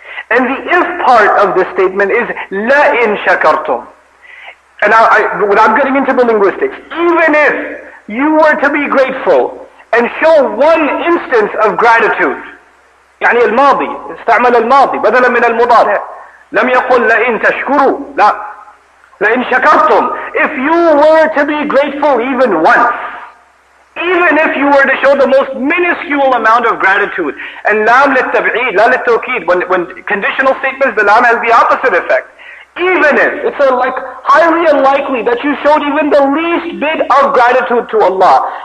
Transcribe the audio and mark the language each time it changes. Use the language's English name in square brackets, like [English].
[English] And the if part of this statement is la in shakartum. And without getting into the linguistics, even if you were to be grateful and show one instance of gratitude, [Arabic] يعني الماضي, استعمل الماضي بدلا من المضارع. لم يقل لا إن تشكروا لا لا إن شكرتم. [English] If you were to be grateful even once. Even if you were to show the most minuscule amount of gratitude, and lam للتبعيد, la للتوكيد, when conditional statements, the lam has the opposite effect. Even if, it's a like highly unlikely that you showed even the least bit of gratitude to Allah.